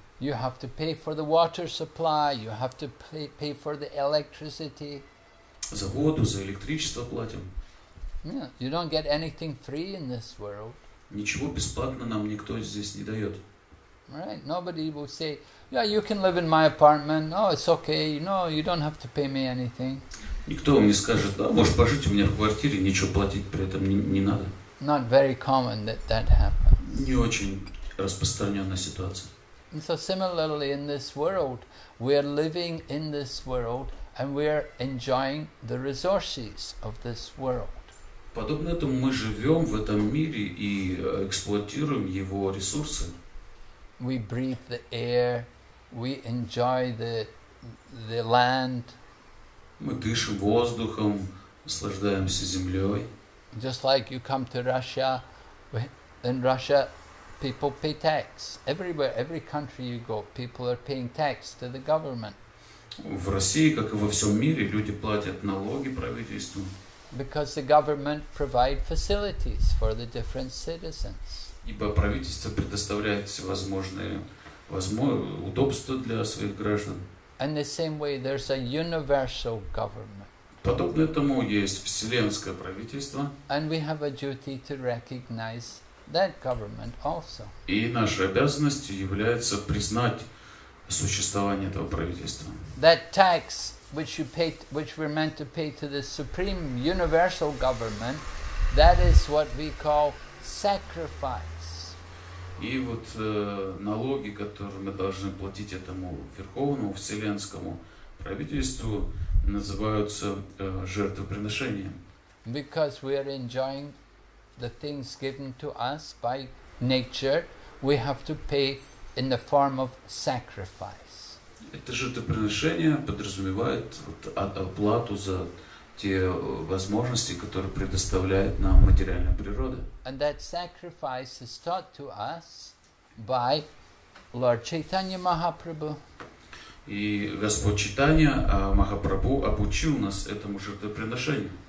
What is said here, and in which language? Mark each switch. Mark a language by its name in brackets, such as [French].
[English] You have to pay for the water supply, you have to pay for the electricity. [Russian] За воду, за электричество платим. [English] Yeah, you don't get anything free in this world. [Russian] Ничего бесплатно нам никто здесь не дает. [English] Right, nobody will say, yeah, you can live in my apartment, oh, it's okay, no, you don't have to pay me anything. [Russian] Никто вам не скажет, да, можешь пожить у меня в квартире, ничего платить при этом не надо. [English] Not very common that happens. [Russian] Не очень распространенная ситуация. [English] And so similarly in this world, we are living in this world and we are enjoying the resources of this world. [Russian] Подобно этому мы живем в этом мире и эксплуатируем его ресурсы. [English] We breathe the air, we enjoy the land. [Russian] Мы дышим воздухом, наслаждаемся землей. [English] Just like you come to Russia, in Russia people pay tax. Everywhere, every country you go, people are paying tax to the government. [Russian] В России, как и во всем мире, люди платят налоги правительству. [English] Because the government provide facilities for the different citizens. [Russian] Ибо правительство предоставляет всевозможные удобства для своих граждан. [English] In the same way, there's a universal government. [Russian] Подобно этому есть вселенское правительство. [English] And we have a duty to recognize that government also. [Russian] И нашей обязанностью является признать существование этого правительства. [English] That tax which we're meant to pay to the supreme universal government, that is what we call sacrifice. [Russian] И вот налоги, которые мы должны платить этому верховному вселенскому правительству, называются жертвоприношением. [English] Because we are enjoying the things given to us by nature, we have to pay in the form of sacrifice. [Russian] Это жертвоприношение подразумевает оплату за те возможности, которые предоставляет нам материальная природа. [English] And that sacrifice is taught to us by Lord Chaitanya Mahaprabhu. [Russian] И Господь Чайтанья Махапрабху обучил нас этому жертвоприношению.